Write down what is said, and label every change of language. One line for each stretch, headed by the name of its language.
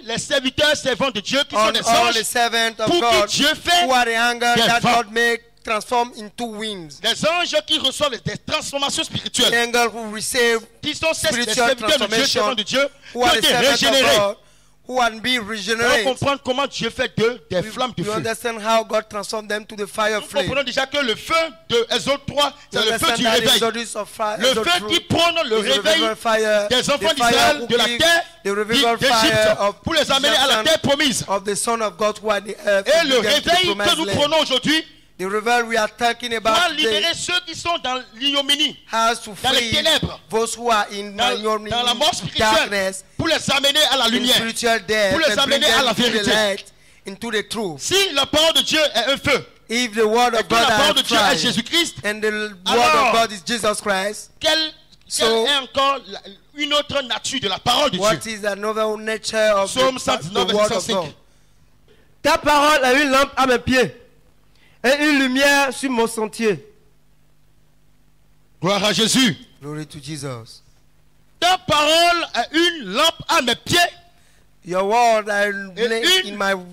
French: les serviteurs servants de Dieu qui sont des anges pour
English: God,
French: qui Dieu fait
English: who are the anger
French: des
English: that
French: vents.
English: God make transform into wings.
French: Les anges qui reçoivent des transformations spirituelles
English: the angel who receive
French: qui sont ces
English: spiritual
French: serviteurs
English: transformation,
French: de Dieu
English: who are
French: qui ont été régénérés.
English: Who had been regenerated.
French: Pour comprendre comment Dieu fait d'eux des flammes de feu.
English: You understand how God transformed them to the fire flame.
French: Nous comprenons déjà que le feu de Exode 3, c'est le feu du réveil. Le feu qui prône le réveil des enfants d'Israël de la terre d'Égypte pour les amener à la terre promise.
English: Of the son of God who had the earth.
French: Et le réveil que nous prenons aujourd'hui.
English: The revival we are talking about
French: doit libérer ceux qui sont dans l'ignominie, dans les ténèbres,
English: those who are in
French: dans la mort spirituelle, pour les amener à la lumière,
English: death,
French: pour les amener à la vérité.
English: The light, into the truth.
French: Si la parole de Dieu est un feu,
English: if the word
French: et
English: of God
French: la parole
English: are
French: de Dieu
English: fire,
French: est Jésus-Christ,
English: and the word
French: alors,
English: of God is Jesus Christ,
French: quel Quelle est encore la, une autre nature de la parole de
English: what
French: Dieu?
English: What is another nature of Psalms the word of God?
French: Ta parole est une lampe à mes pieds et une lumière sur mon sentier. Gloire à Jésus.
English: Glory to Jesus.
French: Ta parole est une lampe à mes pieds.
English: Your word and light in my